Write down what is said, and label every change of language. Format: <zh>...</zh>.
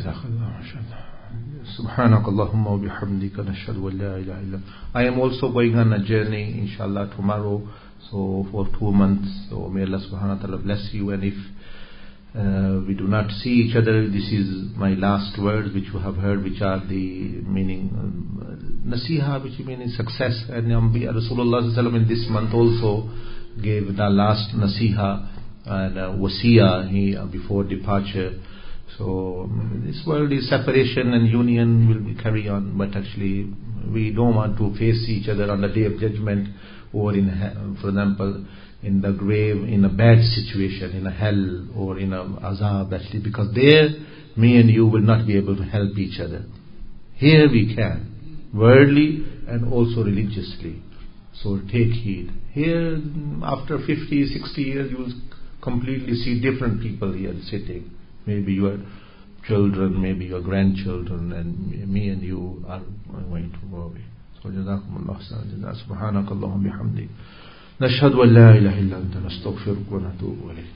<ar>سبحانك اللهم وبحمدك نشهد أن لا إله إلا أنت.</ar> <en>I am also going on a journey, inshallah, tomorrow. So for 2 months. So may Allah subhanahu wa ta'ala bless you. And if we do not see each other, this is my last words, which you have heard, which are the meaning nasiha, which means success. And Rasulullah sallallahu alaihi wasallam in this month also gave the last nasiha and wasiya before departure. So this world is separation and union will be carry on, but actually we don't want to face each other on the day of judgment, or in, for example, in the grave, in a bad situation, in a hell or in a azab, actually, because there me and you will not be able to help each other. Here we can, worldly and also religiously. So take heed. Here, after 50, 60 years, you will completely see different people here sitting. Maybe your children, maybe your grandchildren, and me and you are going to go away. So</en> <ar>جزاكم الله خيرا جزاء سبحانك اللهم بحمدك نشهد أن لا إله إلا أنت نستغفرك ونتوب إليك.</ar>